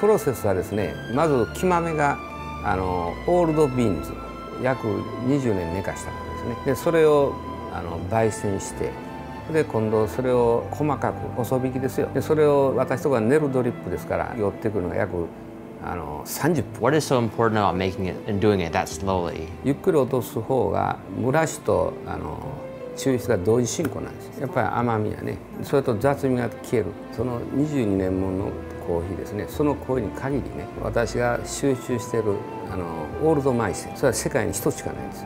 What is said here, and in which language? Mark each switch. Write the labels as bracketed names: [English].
[Japanese] プロセスはですね、まず木豆がオールドビーンズ約20年寝かしたものですね。でそれを焙煎して、で今度それを細かく細引きですよ。でそれを私とかネルドリップですから寄ってくるのが約30分。 [English] What is so important about making it and doing it that slowly? [Japanese] ゆっくり落とす方が蒸らしと抽出が同時進行なんです。やっぱり甘みやね、それと雑味が消える、その22年もののコーヒーですね。そのコーヒーに限りね、私が集中しているオールドマイセン、それは世界に一つしかないんです。